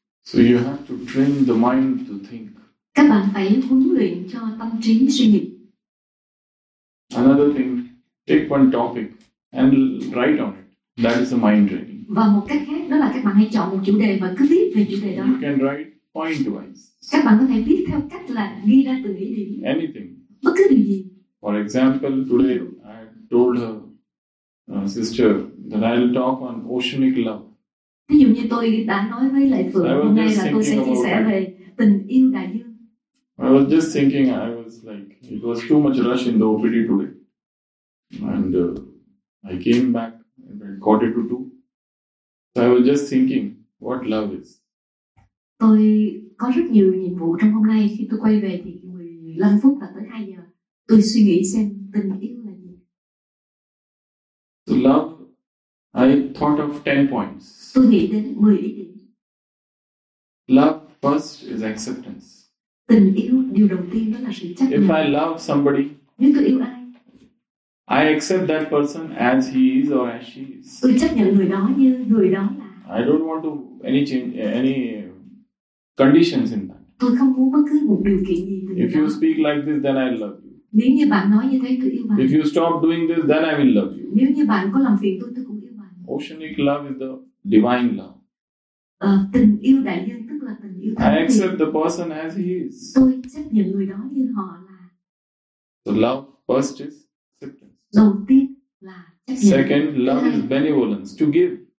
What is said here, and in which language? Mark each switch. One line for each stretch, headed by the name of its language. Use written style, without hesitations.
English: So you have to train the mind to think.
Vietnamese: Các bạn phải huấn luyện cho tâm trí suy nghĩ.
English: Another thing, take one topic and write on it. That is the mind training.
Vietnamese: Và một cách khác đó là các bạn hãy chọn một chủ đề và cứ viết về chủ đề đó.
English: You can write point wise.
Vietnamese: Các bạn có thể viết theo cách là ghi ra từng ý điểm.
English: Anything.
Vietnamese: Bất cứ điều gì.
English: For example, today I told her sister that I will talk on oceanic love.
Vietnamese: Ví dụ như tôi đã nói với lại Phượng hôm nay là tôi sẽ chia sẻ về tình yêu đại dương.
English: I was just thinking, I was like, it was too much rush in the OPD today. And I came back and caught it to two. So I was just thinking, what love is?
Vietnamese: Tôi có rất nhiều nhiệm vụ trong hôm nay. Khi tôi quay về thì 15 phút và tới 2 giờ. Tôi suy nghĩ xem tình yêu là gì.
English: So love. I thought of 10 points.
Vietnamese: Tôi nghĩ đến 10 ý điểm.
English: Love first is acceptance.
Vietnamese: Tình yêu điều đầu tiên đó là sự chấp
English: If
Vietnamese: nhận.
English: I love somebody,
Vietnamese: nếu tôi yêu ai,
English: I accept that person as he is or as she is.
Vietnamese: Tôi chấp nhận người đó như người đó là.
English: I don't want to any change any conditions in that.
Vietnamese: Tôi không muốn bất cứ một điều kiện gì.
English: If
Vietnamese: đó.
English: You speak like this, then I love you.
Vietnamese: Nếu như bạn nói như thế, tôi yêu bạn.
English: If you stop doing this, then I will love you.
Vietnamese: Nếu như bạn có làm phiền tôi cũng yêu bạn.
English: Oceanic love is the divine love.
Vietnamese: Tình yêu đại dương tức là tình yêu thánh.
English: I accept the person as he is.
Vietnamese: Tôi chấp nhận người đó như họ là.
English: So love first is acceptance.
Vietnamese: Đầu tiên là chấp nhận.
English: Second, love is benevolence, to give.